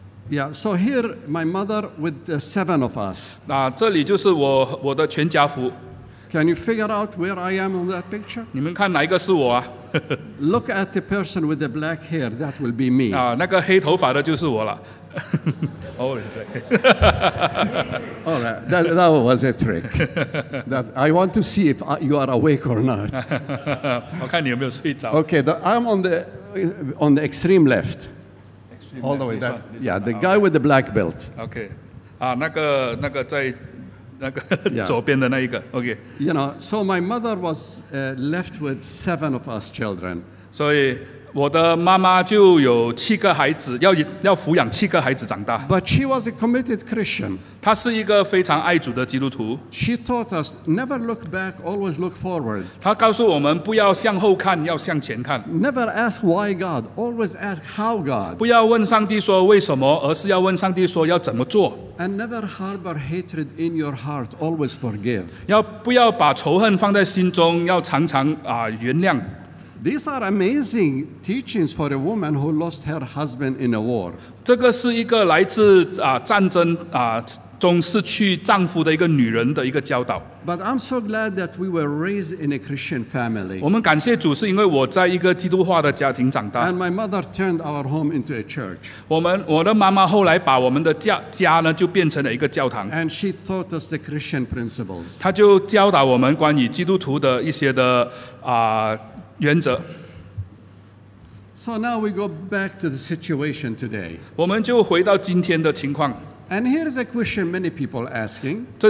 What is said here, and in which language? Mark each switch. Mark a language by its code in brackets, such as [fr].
[en] Yeah, so here my mother with 7 of us. [zh] 那这里就是我的全家福。 [en] Can you figure out where I am on that picture? [zh] 你们看哪一个是我啊？ [en] Look at the person with the black hair. That will be me. [zh] 啊，那个黑头发的就是我了。 [en] Always black. All right, that was a trick. That I want to see if you are awake or not. [zh] 我看你有没有睡着。 [en] Okay, I'm on the extreme left. Extreme all the way down. Yeah, the guy with the black belt. [zh] Okay, 那个在。那个、yeah. 左边的那一个 ，OK。 [en] You know, so my mother was left with 7 of us children. [zh] 所以我的妈妈就有七个孩子，要抚养七个孩子长大。 [en] But she was a committed Christian. [zh] 她是一个非常爱主的基督徒。 [en] She taught us never look back, always look forward. [zh] 她告诉我们不要向后看，要向前看。 [en] Never ask why God, always ask how God. [zh] 不要问上帝说为什么，而是要问上帝说要怎么做。 [en] And never harbor hatred in your heart. Always forgive. [zh] 要不要把仇恨放在心中？要常常原谅。 [en] These are amazing teachings for a woman who lost her husband in a war. [zh] 这个是一个来自战争中失去丈夫的一个女人的一个教导。 [en] But I'm so glad that we were raised in a Christian family. [zh] 我们感谢主，是因为我在一个基督化的家庭长大。 [en] And my mother turned our home into a church. [zh] 我的妈妈后来把我们的家呢，就变成了一个教堂。 [en] And she taught us the Christian principles. [zh] 她就教导我们关于基督徒的一些的原则。 [en] So now we go back to the situation today. [zh] 我们就回到今天的情况。 [en] And here is a question many people asking.